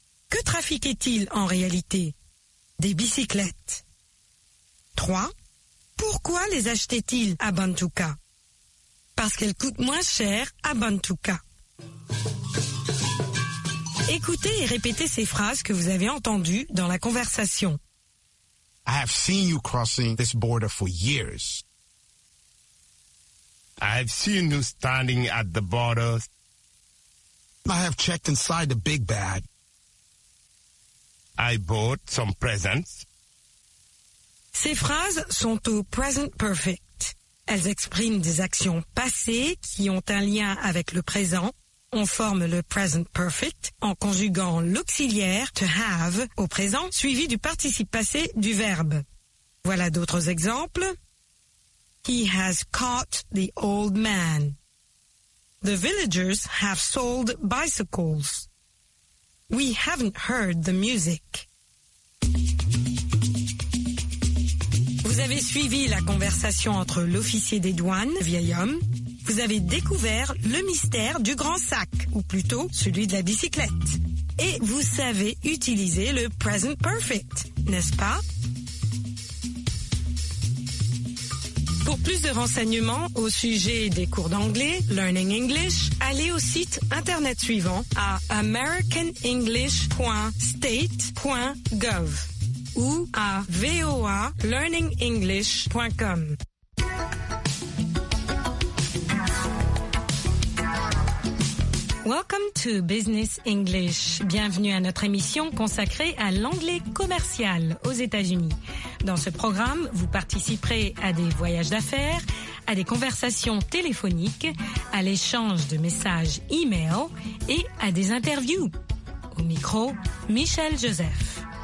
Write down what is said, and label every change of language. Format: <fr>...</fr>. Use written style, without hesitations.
<fr>Que trafiquait-il en réalité? Des bicyclettes. 3. Pourquoi les achetait-il à Bantuka? Parce qu'elles coûtent moins cher à Bantuka. Écoutez et répétez ces phrases que vous avez entendues dans la conversation.</fr> <en>I have seen you crossing this border for years. I have seen you standing at the border. I have checked inside the big bag. I bought some presents.</en> <fr>Ces phrases sont au present perfect. Elles expriment des actions passées qui ont un lien avec le présent. On forme le present perfect en conjuguant l'auxiliaire to have au présent suivi du participe passé du verbe. Voilà d'autres exemples.</fr> <en>He has caught the old man. The villagers have sold bicycles. We haven't heard the music.</en> <fr>Vous avez suivi la conversation entre l'officier des douanes, vieil homme. Vous avez découvert le mystère du grand sac, ou plutôt celui de la bicyclette. Et vous savez utiliser le present perfect, n'est-ce pas? Pour plus de renseignements au sujet des cours d'anglais, Learning English, allez au site internet suivant à americanenglish.state.gov ou à voalearningenglish.com.</fr> <en>Welcome to Business English.</en> <fr>Bienvenue à notre émission consacrée à l'anglais commercial aux États-Unis. Dans ce programme, vous participerez à des voyages d'affaires, à des conversations téléphoniques, à l'échange de messages e-mail et à des interviews. Au micro, Michel Joseph.</fr>